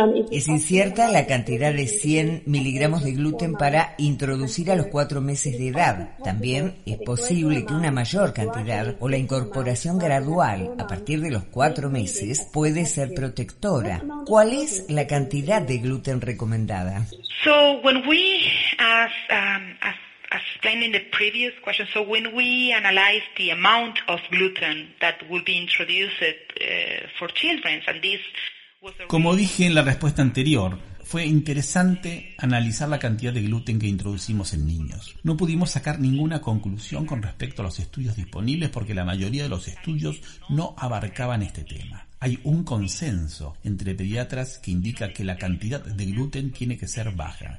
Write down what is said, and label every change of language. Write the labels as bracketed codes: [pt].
[es] ¿Es incierta la cantidad de 100 miligramos de gluten para introducir a los 4 meses de edad? También es posible que una mayor cantidad o la incorporación gradual a partir de los 4 meses puede ser protectora. ¿Cuál es la cantidad de gluten recomendada? [en] So when we as explained in the previous question, so when we analyze the amount of gluten that will be introduced for children, and this. [es] Como dije en la respuesta anterior, fue interesante analizar la cantidad de gluten que introducimos en niños. No pudimos sacar ninguna conclusión con respecto a los estudios disponibles porque la mayoría de los estudios no abarcaban este tema. Hay un consenso entre pediatras que indica que la cantidad de gluten tiene que ser baja.